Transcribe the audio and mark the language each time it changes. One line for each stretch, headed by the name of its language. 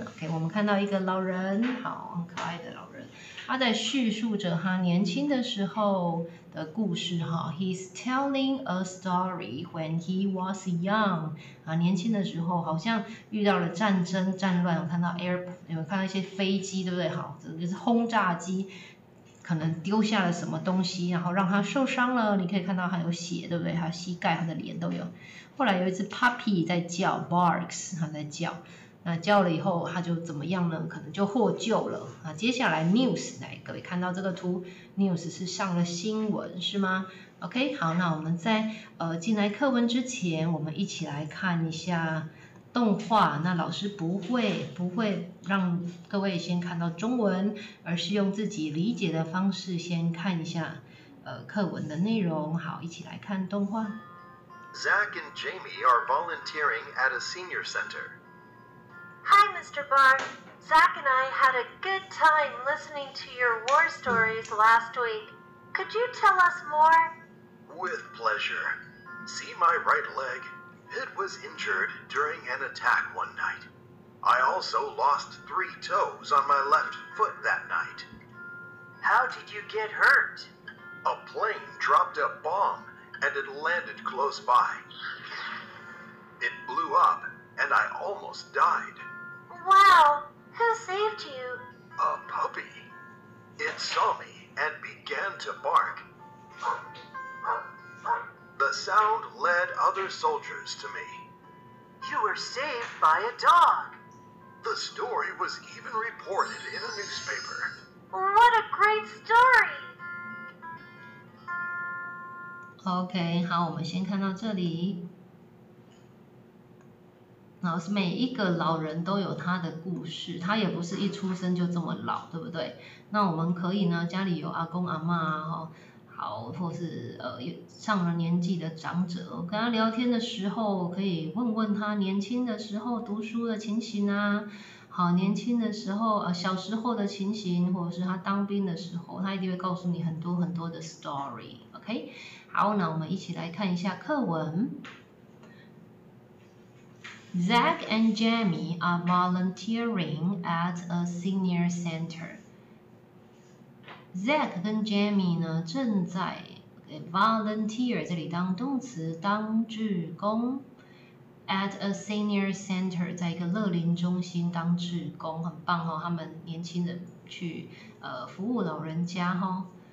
Chinese: OK, 我们看到一个老人，好，很可爱的老人，他在叙述着他年轻的时候的故事哈。
English: He's telling a story when he was young。
Chinese: 啊，年轻的时候好像遇到了战争战乱，有看到 有看到一些飞机，对不对？好，这就是轰炸机，可能丢下了什么东西，然后让他受伤了。你可以看到他有血，对不对？他膝盖、他的脸都有。后来有一只 puppy 在叫 ，barks， 他在叫。那叫了以后他就怎么样呢？可能就获救了。那接下来 news， 来各位看到这个图 ，news 是上了新闻是吗 ？OK， 好，那我们在进来课文之前，我们一起来看一下动画。那老师不会让各位先看到中文，而是用自己理解的方式先看一下课文的内容。好，一起来看动画。
English: Zach and Jamie are volunteering at a senior center. Hi, Mr. Barr. Zach and I had a good time listening to your war stories last week. Could you tell us more? With pleasure. See my right leg? It was injured during an attack one night. I also lost 3 toes on my left foot that night. How did you get hurt? A plane dropped a bomb and it landed close by. It blew up and I almost died. Wow! Who saved you? A puppy. It saw me and began to bark. The sound led other soldiers to me. You were saved by a dog. The story was even reported in a newspaper. What a great story!
Chinese: OK, 好，我们先看到这里。然后是每一个老人都有他的故事，他也不是一出生就这么老，对不对？那我们可以呢，家里有阿公阿嬷哈，好，或是上了年纪的长者，跟他聊天的时候，可以问问他年轻的时候读书的情形啊，好，年轻的时候小时候的情形，或者是他当兵的时候，他一定会告诉你很多很多的 story。 OK， 好，那我们一起来看一下课文。 Zach and Jamie are volunteering at a senior center. Zach 跟 Jamie 呢正在 volunteer 这里当动词当志工
English: at a senior center
Chinese: 在一个乐龄中心当志工很棒哦，他们年轻人去服务老人家哦。